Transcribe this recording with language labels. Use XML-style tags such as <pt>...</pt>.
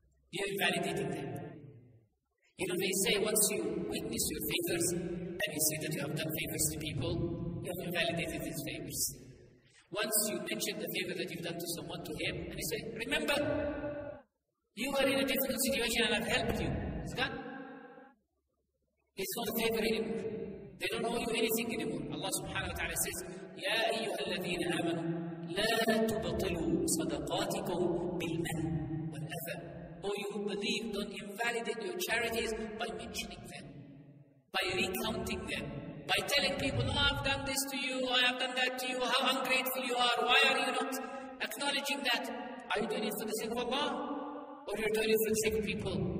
<en>You're invalidating them. You know, they say once you witness your favors and you say that you have done favors to people, you have invalidated these favors. Once you mention the favor that you've done to someone, to him, and you say, remember, you are in a difficult situation and I've helped you. Is that? It's not a favor anymore. They don't owe you anything anymore.</en> <ar>Allah subhanahu wa ta'ala says, يَا أَيُّهَا الَّذِينَ آمَنُوا لَا تُبَطِلُوا صَدَقَاتِكُمْ بِالْمَنِّ وَالْأَذَى.</ar> <en>Oh, you who believe, don't invalidate your charities by mentioning them, by recounting them, by telling people, oh, I've done this to you, I have done that to you, how ungrateful you are, why are you not acknowledging that? Are you doing it for the sake of Allah? Or you're doing it for the sake of people?</en>